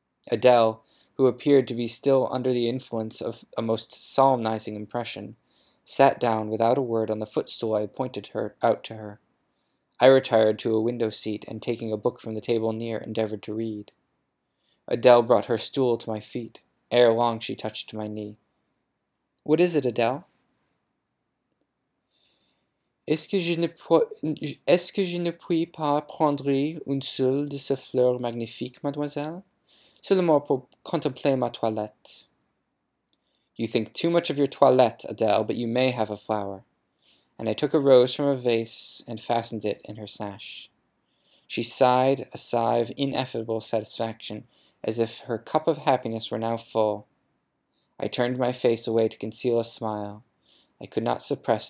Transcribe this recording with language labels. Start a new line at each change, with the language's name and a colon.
English: Adele, who appeared to be still under the influence of a most solemnizing impression, sat down without a word on the footstool I had pointed her out to her. I retired to a window seat, and taking a book from the table near, endeavored to read. Adele brought her stool to my feet. Ere long she touched my knee. "What is it, Adele?"
French: Est-ce que je ne puis pas prendre une seule de ces fleurs magnifiques, mademoiselle? Seulement pour contempler ma toilette."
English: "You think too much of your toilette, Adele, but you may have a flower." And I took a rose from a vase and fastened it in her sash. She sighed a sigh of ineffable satisfaction, as if her cup of happiness were now full. I turned my face away to conceal a smile. I could not suppress.